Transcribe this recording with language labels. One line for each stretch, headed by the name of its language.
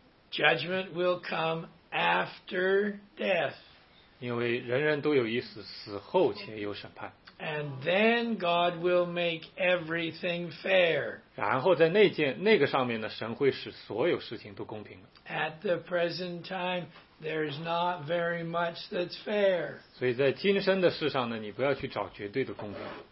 English: Judgment will come after death.
Chinese: 因为人人都有一死，死后且有审判。
English: And then God will make everything fair.
Chinese: 然后在那个上面呢，神会使所有事情都公平了。
English: At the present time,There's not very much that's fair.
Chinese: 所以在今生的事上呢，你不要去找绝对的公平。